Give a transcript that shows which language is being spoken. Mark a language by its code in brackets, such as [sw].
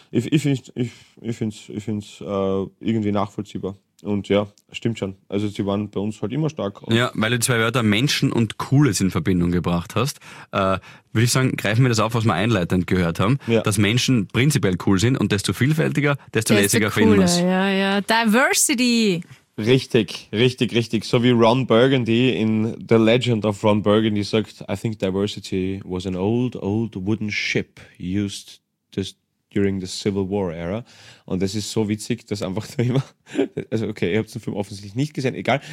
[de] Ich finde es irgendwie nachvollziehbar. Und ja, stimmt schon. Also sie waren bei uns halt immer stark. Ja, weil du zwei Wörter Menschen und Cooles in Verbindung gebracht hast, würde ich sagen, greifen wir das auf, was wir einleitend gehört haben, dass Menschen prinzipiell cool sind und desto vielfältiger, desto lässiger finden wir es. Ja. Diversity! Richtig. So wie Ron Burgundy in The Legend of Ron Burgundy sagt, [en] I think diversity was an old, old wooden ship used just during the Civil War era. [de] Und das ist so witzig, dass einfach da immer, also okay, ihr habt den Film offensichtlich nicht gesehen, egal.